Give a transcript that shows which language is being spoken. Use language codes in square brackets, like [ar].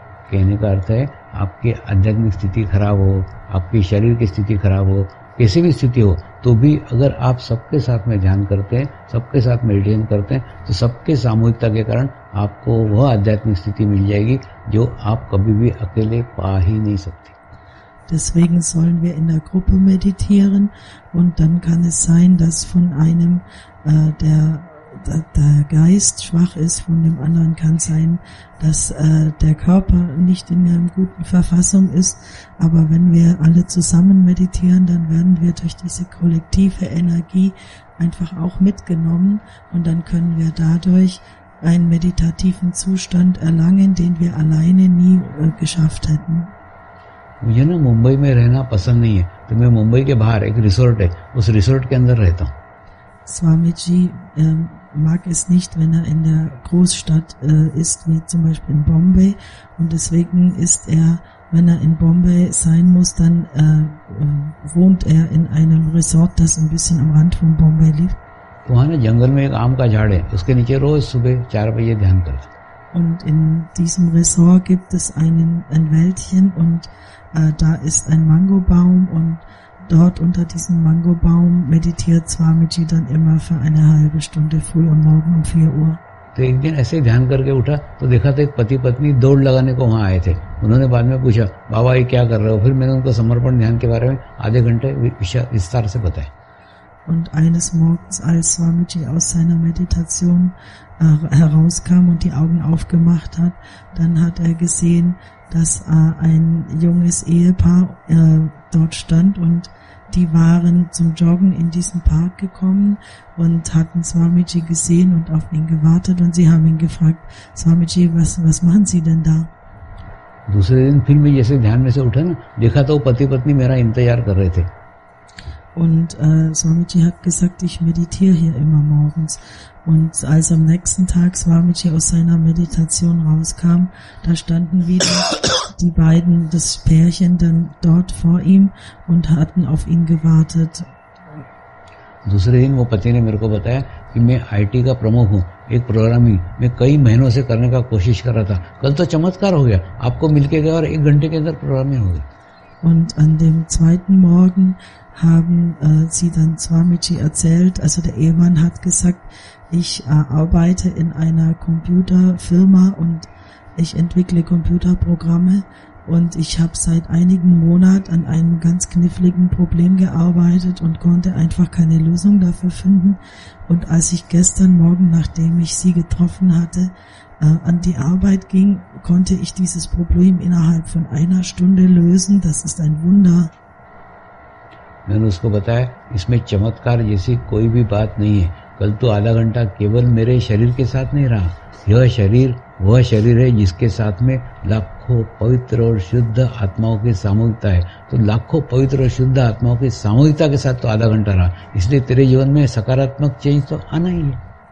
[hi] कहने का अर्थ है आपकी आध्यात्मिक स्थिति खराब हो, आपकी शरीर की स्थिति खराब हो, कैसी भी स्थिति हो, तो भी अगर आप सबके साथ में ध्यान करते हैं, सबके साथ मेडिटेशन करते हैं, तो सबके सामूहिकता के कारण आपको वह आध्यात्मिक स्थिति मिल जाएगी, जो आप कभी भी अकेले पा ही नहीं सकते. [de] Deswegen sollen wir in der Gruppe meditieren, und dann kann es sein, dass von einem der Geist schwach ist, von dem anderen kann sein, dass der Körper nicht in einer guten Verfassung ist. Aber wenn wir alle zusammen meditieren, dann werden wir durch diese kollektive Energie einfach auch mitgenommen, und dann können wir dadurch einen meditativen Zustand erlangen, den wir alleine nie geschafft hätten. [hi] मुझे ना मुंबई में रहना पसंद नहीं है, तो मैं मुंबई के बाहर एक रिसोर्ट है, उस रिसोर्ट के अंदर रहता हूँ. [de] स्वामी जी mag es nicht, wenn er in der Großstadt ist, wie zum Beispiel in Bombay. Und deswegen ist er, wenn er in Bombay sein muss, dann wohnt er in einem Resort, das ein bisschen am Rand von Bombay liegt. [hi] वहाँ ना जंगल में एक आम का झाड़ है, उसके नीचे रोज सुबह 4 बजे ध्यान करता. [de] Und in diesem Resort gibt es ein Wäldchen, und da ist ein Mangobaum, und dort unter diesem Mangobaum meditiert Swamiji dann immer für eine halbe Stunde früh am Morgen um 4 Uhr. [hi] तो एक दिन ऐसे ध्यान करके उठा, तो देखा था एक पति पत्नी दौड़ लगाने को वहाँ आए थे. उन्होंने बाद में पूछा, बाबा ये क्या कर रहे हो? फिर मैंने उनको समर्पण ध्यान के बारे में आधे घंटे विस्तार से बताया. [de] Und eines Morgens, als Swamiji aus seiner Meditation herauskam und die Augen aufgemacht hat, dann hat er gesehen, dass ein junges Ehepaar dort stand, und die waren zum Joggen in diesen Park gekommen und hatten Swamiji gesehen und auf ihn gewartet, und sie haben ihn gefragt, Swamiji, was machen Sie denn da? [hi] दूसरे दिन फिर मैं जैसे ध्यान में से उठा ना, देखा तो पति पत्नी मेरा इंतजार कर रहे थे. [de] Und Swamiji hat gesagt, ich meditiere hier immer morgens. Und als am nächsten Tag Swamiji aus seiner Meditation rauskam, da standen wieder die beiden, das Pärchen, dann dort vor ihm und hatten auf ihn gewartet. [hi] दूसरे दिन वो पति ने मेरे को बताया कि मैं IT का प्रमुख हूँ, एक प्रोग्रामिंग मैं कई महीनों से करने का कोशिश कर रहा था. कल तो चमत्कार हो गया, आपको मिलके गया और एक घंटे के अंदर प्रोग्रामिंग हो गई. [de] Und an dem zweiten Morgen haben sie dann Swamiji erzählt, also der Ehemann hat gesagt, ich arbeite in einer Computerfirma und ich entwickle Computerprogramme, und ich habe seit einigen Monaten an einem ganz kniffligen Problem gearbeitet und konnte einfach keine Lösung dafür finden. Und als ich gestern Morgen, nachdem ich sie getroffen hatte, an die Arbeit ging, konnte ich dieses Problem innerhalb von einer Stunde lösen. Das ist ein Wunder. [hi] मैंने उसको बताया, इसमें चमत्कार जैसी कोई भी बात नहीं है. कल तो आधा घंटा केवल मेरे शरीर के साथ नहीं रहा, यह शरीर वह शरीर है जिसके साथ में लाखों पवित्र और शुद्ध आत्माओं की सामूहिकता है. तो लाखों पवित्र और शुद्ध आत्माओं की सामूहिकता के साथ तो आधा घंटा रहा, इसलिए तेरे जीवन में सकारात्मक चेंज तो आना ही है.